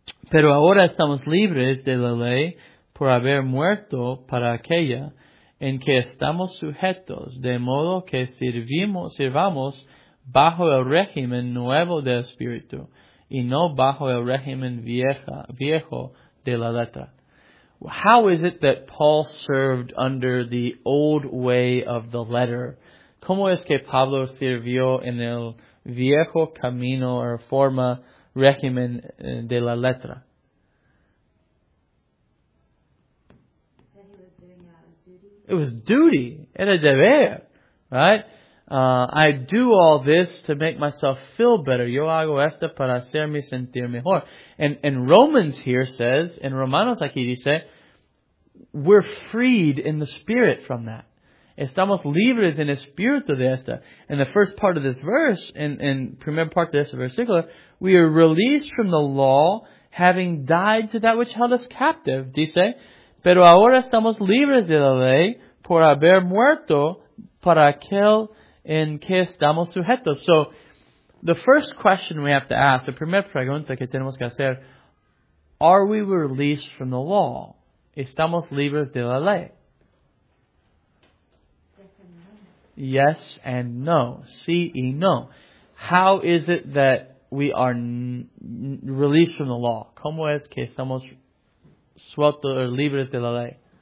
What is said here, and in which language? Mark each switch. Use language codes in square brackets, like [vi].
[es] Pero ahora estamos libres de la ley por haber muerto para aquella en que estamos sujetos, de modo que sirvamos bajo el régimen nuevo del Espíritu y no bajo el régimen viejo de la letra. [en] How is it that Paul served under the old way of the letter? [es] ¿Cómo es que Pablo sirvió en el viejo camino o forma régimen de la letra? [en] That he was doing out of duty. It was duty. [es] Era deber. [en] Right? I do all this to make myself feel better. [es] Yo hago esto para hacerme sentir mejor. [en] And Romans here says, in [es] Romanos aquí dice, [en] we're freed in the spirit from that. [es] Estamos libres en espíritu de esta. [en] In the first part of this verse, in [es] primer parte de este versículo, [en] we are released from the law, having died to that which held us captive. [es] Dice, pero ahora estamos libres de la ley por haber muerto para aquel en que estamos sujetos. [en] So, the first question we have to ask, the [es] primera pregunta que tenemos que hacer, [en] are we released from the law? [es] ¿Estamos libres de la ley? [en] Yes and no. [es] Sí y no. [en] How is it that we are released from the law? [es] ¿Cómo es que estamos sueltos o libres de la ley?